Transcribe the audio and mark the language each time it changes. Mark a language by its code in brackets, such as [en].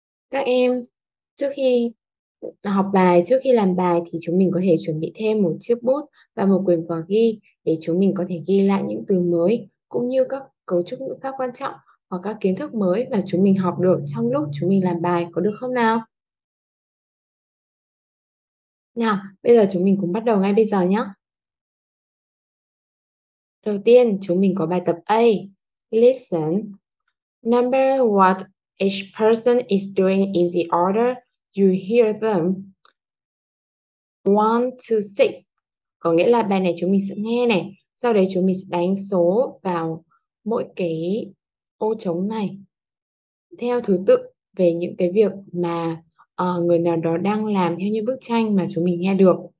[vi] Các em, trước khi học bài, trước khi làm bài thì chúng mình có thể chuẩn bị thêm một chiếc bút và một quyển vở ghi để chúng mình có thể ghi lại những từ mới cũng như các cấu trúc ngữ pháp quan trọng hoặc các kiến thức mới mà chúng mình học được trong lúc chúng mình làm bài, có được không nào? Nào, bây giờ chúng mình cùng bắt đầu ngay bây giờ nhé. Đầu tiên, chúng mình có bài tập A. [en] Listen. Number what each person is doing in the order you hear them. 1, 2, 6. [vi] Có nghĩa là bài này chúng mình sẽ nghe này. Sau đấy chúng mình sẽ đánh số vào mỗi cái ô trống này theo thứ tự về những cái việc mà người nào đó đang làm theo như bức tranh mà chúng mình nghe được.